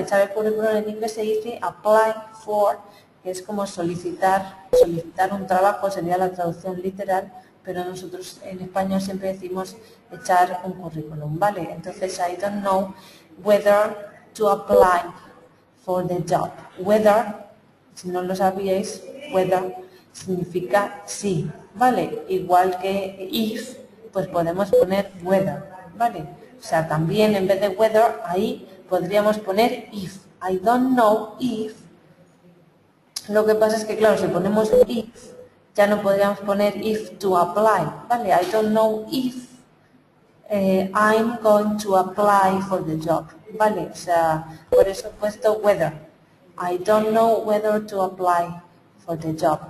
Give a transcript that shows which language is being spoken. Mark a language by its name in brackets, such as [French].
[Spanish] Echar el currículum en inglés se dice apply for, que es como solicitar un trabajo, sería la traducción literal, pero nosotros en español siempre decimos echar un currículum, ¿vale? [English] Entonces, I don't know whether to apply for the job. [Spanish] Whether, si no lo sabíais, whether significa sí, Vale, igual que if, pues podemos poner weather, ¿vale? O sea, también en vez de weather, ahí podríamos poner if. [English] I don't know if. [Spanish] Lo que pasa es que, claro, si ponemos if, ya no podríamos poner if to apply, ¿vale? [English] I don't know if I'm going to apply for the job, ¿vale? [Spanish] O sea, por eso he puesto whether. [English] I don't know whether to apply for the job.